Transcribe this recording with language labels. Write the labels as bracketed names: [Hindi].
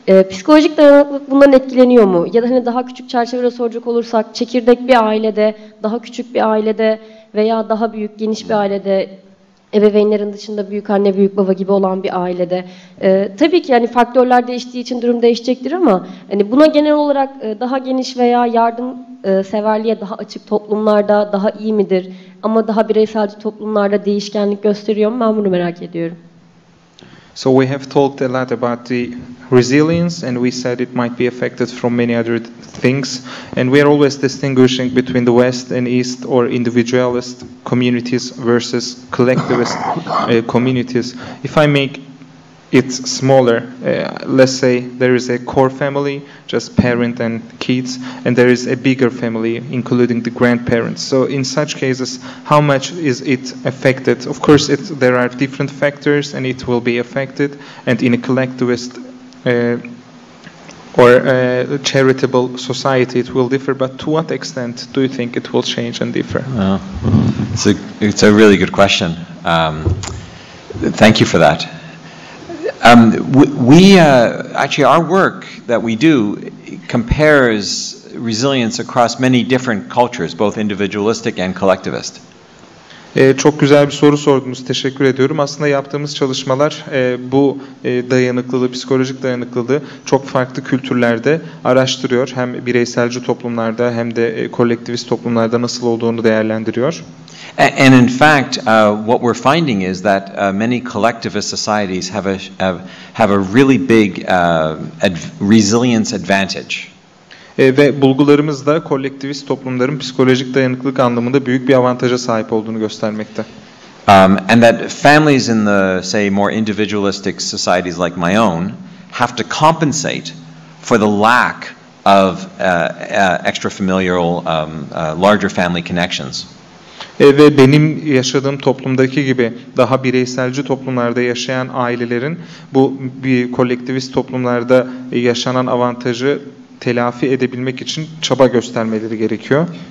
[Turkish] Psikolojik dayanıklılık bundan etkileniyor mu? Ya da hani daha küçük çerçevede soracak olursak çekirdek bir ailede, daha küçük bir ailede veya daha büyük, geniş bir ailede, ebeveynlerin dışında büyük anne, büyük baba gibi olan bir ailede. Tabii ki yani faktörler değiştiği için durum değişecektir ama hani buna genel olarak daha geniş veya yardımseverliğe daha açık toplumlarda daha iyi midir? Ama daha bireyselci toplumlarda değişkenlik gösteriyor mu? Ben bunu merak ediyorum. [English] So we have talked a lot about the resilience and we said it might be affected from many other things. And we are always distinguishing between the West and East or individualist communities versus collectivist communities. If I make it smaller, let's say there is a core family, just parent and kids, and there is a bigger family, including the grandparents. So in such cases, how much is it affected? Of course, there are different factors and it will be affected. And in a collectivist or a charitable society, it will differ. But to what extent do you think it will change and differ? It's a really good question. Thank you for that. Actually, our work that we do compares resilience across many different cultures, both individualistic and collectivist. [Turkish] Çok güzel bir soru sordunuz. Teşekkür ediyorum. Aslında yaptığımız çalışmalar bu dayanıklılığı, psikolojik dayanıklılığı çok farklı kültürlerde araştırıyor. Hem bireyselci toplumlarda hem de kolektivist toplumlarda nasıl olduğunu değerlendiriyor. [English] And in fact, what we're finding is that many collectivist societies have a really big resilience advantage. [Turkish] Ve bulgularımız da kolektivist toplumların psikolojik dayanıklılık anlamında büyük bir avantaja sahip olduğunu göstermekte. [English] And that families in the, say, more individualistic societies like my own have to compensate for the lack of extrafamilial, larger family connections. [Turkish] Ve benim yaşadığım toplumdaki gibi daha bireyselci toplumlarda yaşayan ailelerin bu bir kolektivist toplumlarda yaşanan avantajı telafi edebilmek için çaba göstermeleri gerekiyor.